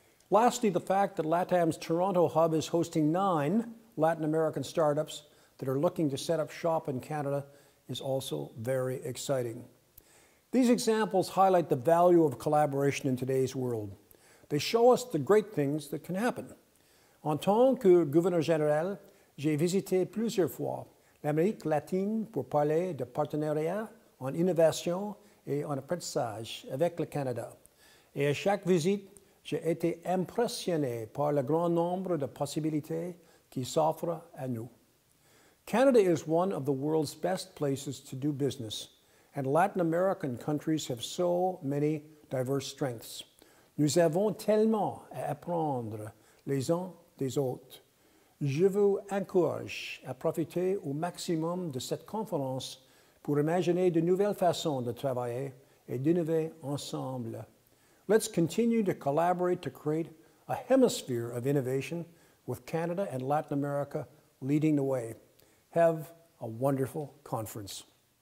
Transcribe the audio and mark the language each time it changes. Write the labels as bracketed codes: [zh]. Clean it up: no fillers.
[en] Lastly, the fact that LATAM's Toronto hub is hosting 9 Latin American startups that are looking to set up shop in Canada is also very exciting. These examples highlight the value of collaboration in today's world. They show us the great things that can happen. [fr] En tant que gouverneur général, j'ai visité plusieurs fois l'Amérique latine pour parler de partenariat en innovation et en apprentissage avec le Canada. Et à chaque visite, j'ai été impressionné par le grand nombre de possibilités qui s'offrent à nous. [en] Canada is one of the world's best places to do business, and Latin American countries have so many diverse strengths. [fr] Nous avons tellement à apprendre les uns des autres. Je vous encourage à profiter au maximum de cette conférence pour imaginer de nouvelles façons de travailler et d'innover ensemble. [en] Let's continue to collaborate to create a hemisphere of innovation with Canada and Latin America leading the way. Have a wonderful conference.